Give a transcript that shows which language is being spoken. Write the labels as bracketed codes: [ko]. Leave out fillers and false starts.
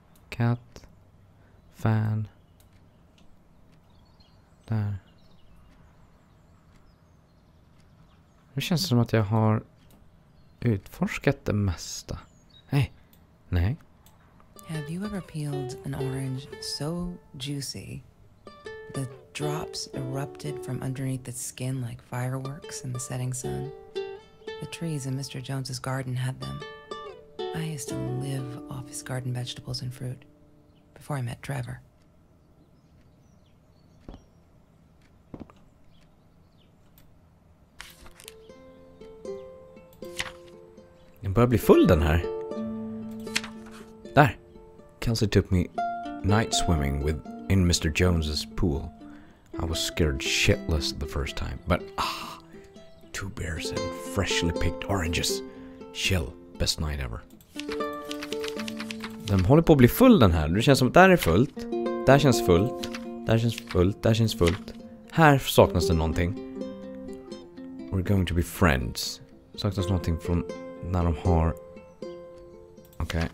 [sv] Cat. Fan. Där. Nu känns det som att jag har utforskat det mesta. Nej. Nej. [en] Have you ever peeled an orange so juicy the drops erupted from underneath its skin like fireworks in the setting sun? The trees in Mr. Jones's garden had them. I used to live off his garden vegetables and fruit before I met Trevor. [sv] Den börjar bli full den här. Där. [en] Kelsey took me night swimming with in Mr. Jones's pool. I was scared shitless the first time, but ah, two beers and freshly picked oranges. Chill, best night ever. [sv] Den håller på att bli full den här. Det känns som att där är fullt. Där känns fullt. Där känns fullt. Där känns fullt. Här saknas det någonting. [en] We're going to be friends. [sv] Saknas någonting från när de har... Okej, okay.